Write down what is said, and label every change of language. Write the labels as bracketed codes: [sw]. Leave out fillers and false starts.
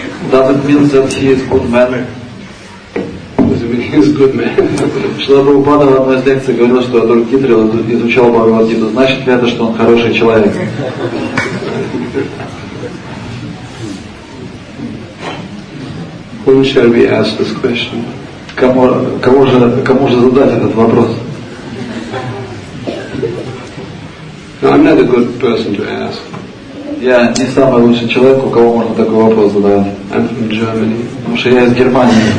[en] Does it mean that he is good man? Does it mean he is good man? [ru] Шрила Прабхупада в одной из лекций говорил, что Адольф Гитлер изучал Бхагавад Гиту. Значит ли это, что он хороший человек? [en] Whom shall we ask this question? [ru] Кому же задать этот вопрос? [en] No, I'm not a good person to ask. [ru] Я не самый лучший человек, у кого можно такой вопрос задавать. [en] I'm from Germany. [ru] Потому что я из Германии.